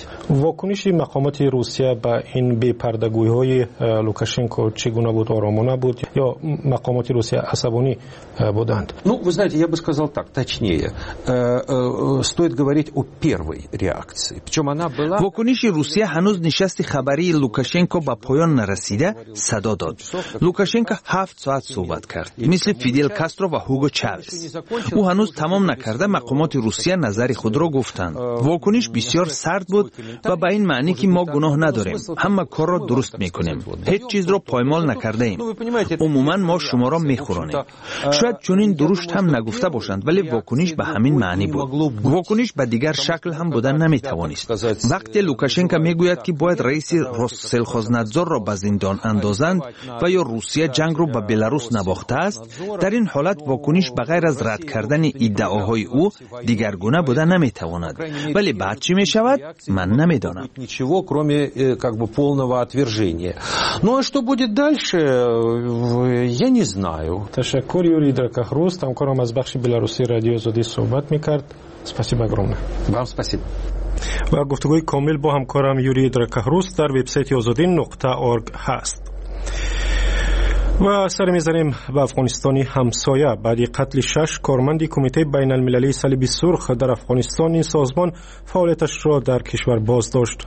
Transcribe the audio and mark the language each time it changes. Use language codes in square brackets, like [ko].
[fa] واکنش مقامات روسیه به این بی‌پردگویی های لوکاشنکو چگونه بود؟ آرامانه بود یا مقامات روسیه عصبانی بودند؟ [ru] Ну, вы знаете, я бы сказал так, точнее. Стоит говорить о первой реакции. Причём она была [fa] واکنش روسیه هنوز نشست خبری لوکاشنکو به پایان نرسیده صدا داد. لوکاشنکو 7 ساعت صحبت کرد. مثل فیدل کاسترو و هوگو چاوز. او هنوز تمام نکرده مقامات روسیه نظر خود را گفتند. واکنش بسیار سرد بود و به این معنی که ما گناه نداریم. همه کار را درست میکنیم. هیچ چیز را پایمال نکرده ایم. عموما ما شما را میخورانیم. شاید چنین درشت هم نگفته باشند ولی واکنش به همین معنی بود. واکنش به دیگر شکل هم بودن نمیتوانست. وقتی لوکاشنکا میگوید که باید رئیس روسلخوزنادزور را به زندان اندازند و یا روسیه جنگ را به بلاروس نباخته است، در این حالت واکنش به غیر از رد کردن ادعاهای او دیگر گونه بودن نمیتواند. ولی بعد چی میشود؟ من نمیدانم. [ru] ничего, кроме как бы полного отвержения. Ну а что будет дальше, я не знаю. [fa] تشکر یوری درکاخروس، همکارم از بخش بلاروسی رادیو زودی صحبت میکرد. سپاسی огромное. [ru] Вам спасибо. [fa] و گفتگوی کامل با همکارم یوری درکاخروس در وبسایت ozodin.org هست. و سر میزنیم به افغانستانی همسایه. بعد قتل 6 کارمند کمیته بین المللی صلیب سرخ در افغانستان، این سازمان فعالیتش را در کشور باز داشت.